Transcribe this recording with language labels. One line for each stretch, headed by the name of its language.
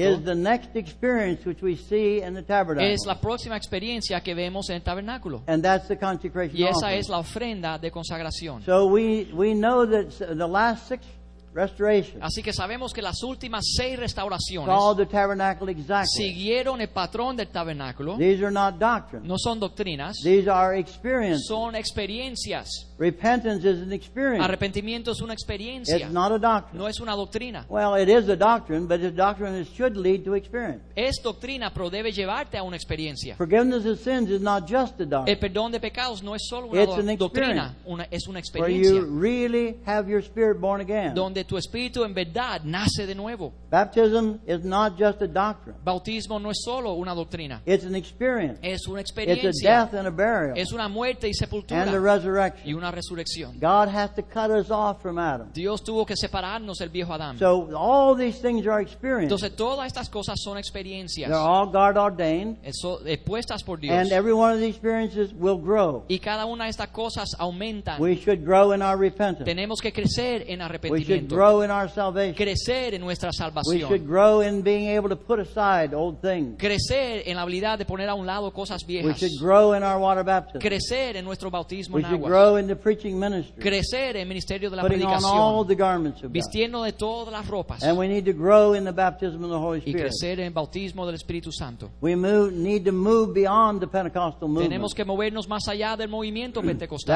English: is the next experience which we see in the tabernacle.
Spanish: Es la próxima experiencia que vemos en el tabernáculo.
English: And that's the consecration
Spanish: y esa
English: offering.
Spanish: Es la ofrenda de consagración.
English: So we know that the last six restoration.
Spanish: Así que sabemos que las últimas seis restauraciones
English: followed the tabernacle exactly.
Spanish: Siguieron el patrón del tabernáculo.
English: These are not doctrines.
Spanish: No son doctrinas.
English: These are experiences.
Spanish: Son experiencias.
English: Repentance is an experience.
Spanish: Arrepentimiento es una experiencia.
English: It's not a doctrine.
Spanish: No es una doctrina.
English: Well, it is a doctrine, but the doctrine should lead to experience.
Spanish: Es doctrina, pero debe llevarte a una experiencia.
English: Forgiveness of sins is not just a doctrine.
Spanish: El perdón de pecados no es solo una
English: it's
Spanish: doctrina.
English: It's an experience.
Spanish: Es una experiencia.
English: Where you really have your spirit born again.
Spanish: Donde tu espíritu en verdad nace de nuevo.
English: Baptism is not just a doctrine.
Spanish: Bautismo no es solo una doctrina.
English: It's an experience.
Spanish: Es una experiencia.
English: It's a death and a burial.
Spanish: Es una muerte y sepultura.
English: And a resurrection.
Spanish: Y una resurrección.
English: God has to cut us off from Adam.
Spanish: Dios tuvo que separarnos del viejo Adán.
English: So all these things are experience.
Spanish: Entonces todas estas cosas son experiencias.
English: They're all God ordained.
Spanish: Eso, expuestas por Dios.
English: And every one of these experiences will grow.
Spanish: Y cada una de estas cosas aumentan.
English: We should grow in our repentance.
Spanish: Tenemos que crecer en arrepentimiento.
English: We should grow in our salvation.
Spanish: Crecer en nuestra salvación.
English: We should grow in being able to put aside old things.
Spanish: Crecer en la habilidad de poner a un lado cosas viejas.
English: We should grow in our water baptism.
Spanish: Crecer en nuestro bautismo
English: we
Spanish: en
English: should
Spanish: aguas.
English: Grow in the preaching ministry.
Spanish: Crecer en el ministerio de la
English: putting
Spanish: predicación.
English: On all the garments of God.
Spanish: Vistiendo de todas las ropas.
English: And we need to grow in the baptism of the Holy Spirit.
Spanish: Y crecer en el bautismo del Espíritu Santo.
English: We need to move beyond the Pentecostal movement.
Spanish: Tenemos que movernos más allá del movimiento pentecostal.